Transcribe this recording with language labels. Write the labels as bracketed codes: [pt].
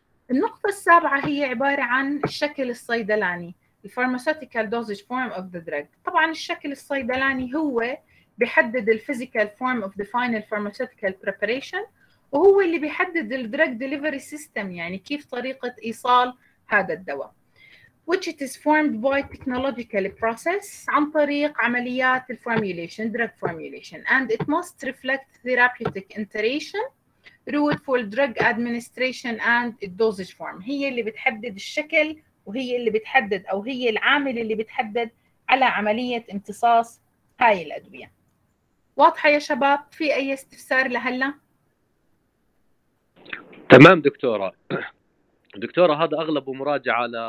[ar] النقطة السابعة هي عبارة عن الشكل الصيدلاني، [en] the pharmaceutical dosage form of the drug. [ar] طبعا الشكل الصيدلاني هو بيحدد [en] the physical form of the final pharmaceutical preparation، [ar] وهو اللي بيحدد [en] the drug delivery system، [ar] يعني كيف طريقة إيصال هذا الدواء. [en] which it is formed by technological process [ar] عن طريق عمليات الformulation [en] drug formulation and it must reflect therapeutic iteration route for drug administration and dosage form. [ar] هي اللي بتحدد الشكل، وهي اللي بتحدد او هي العامل اللي بتحدد على عملية امتصاص هاي الأدوية. واضحة يا شباب؟ في اي استفسار لهلا؟ تمام دكتورة. دكتورة هذا اغلب مراجعة على